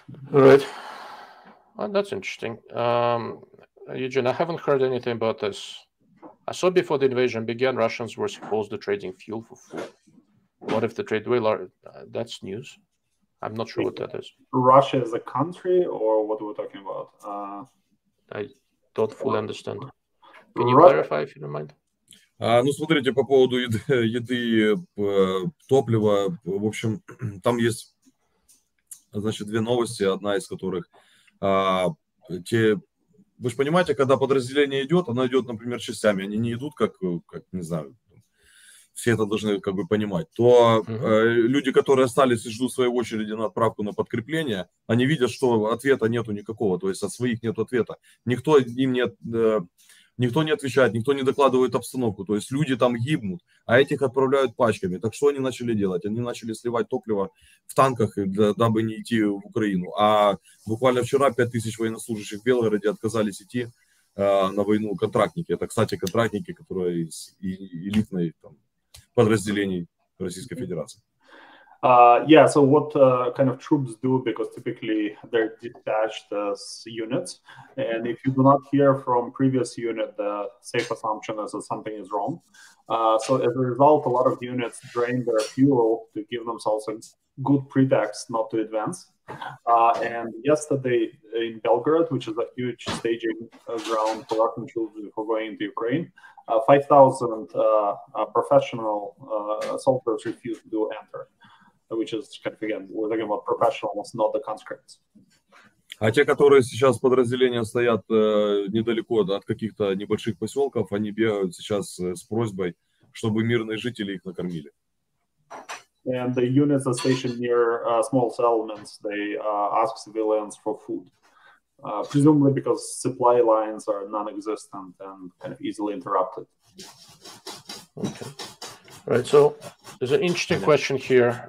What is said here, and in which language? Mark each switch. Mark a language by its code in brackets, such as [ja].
[en] Right. Well, that's interesting. Eugene, I haven't heard anything about this. I saw before the invasion began, Russians were supposed to trading fuel for food. What if the trade will? That's news. I'm not sure what that is. Russia is a country or what are we talking about? I don't fully understand. Can you clarify if you don't mind? [ru] Ну, смотрите, по поводу еды, топлива, в общем, там есть... Значит, две новости, одна из которых, вы же понимаете, когда подразделение идет, оно идет, например, частями, они не идут, как не знаю, все это должны как бы понимать, то люди, которые остались и ждут своей очереди на отправку на подкрепление, они видят, что ответа нету никакого, то есть от своих нет ответа. Никто им не, никто не отвечает, никто не докладывает обстановку, то есть люди там гибнут, а этих отправляют пачками. Так что они начали делать? Они начали сливать топливо в танках, дабы не идти в Украину. А буквально вчера 5000 военнослужащих в Белгороде отказались идти на войну, контрактники. Это, кстати, контрактники, которые из элитной там, подразделений Российской Федерации. [en] Yeah, so what kind of troops do, because typically they're detached as units, and if you do not hear from previous unit, the safe assumption is that something is wrong. So as a result, a lot of units drain their fuel to give themselves a good pretext not to advance. And yesterday in Belgorod, which is a huge staging ground for Russian troops before going into Ukraine, 5,000 professional soldiers refused to enter. Which is kind of, again, we're talking about professionals, not the conscripts. [ru] А те, которые сейчас подразделения стоят недалеко от каких-то небольших поселков, они бегают сейчас с просьбой, чтобы мирные жители их накормили. [en] And the units are stationed near small settlements. They ask civilians for food, presumably because supply lines are non-existent and kind of easily interrupted. Okay. All right, so there's an interesting question here.